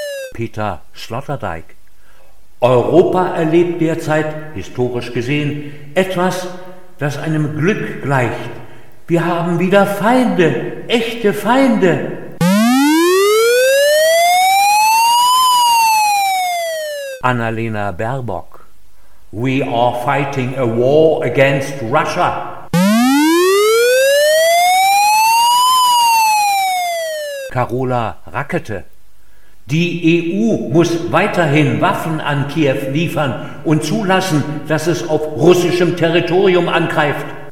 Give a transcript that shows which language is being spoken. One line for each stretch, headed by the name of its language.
German: Peter Sloterdijk: Europa erlebt derzeit, historisch gesehen, etwas, das einem Glück gleicht. Wir haben wieder Feinde, echte Feinde.
English: Annalena Baerbock: We are fighting a war against Russia.
German: Carola Rackete: Die EU muss weiterhin Waffen an Kiew liefern und zulassen, dass es auf russischem Territorium angreift.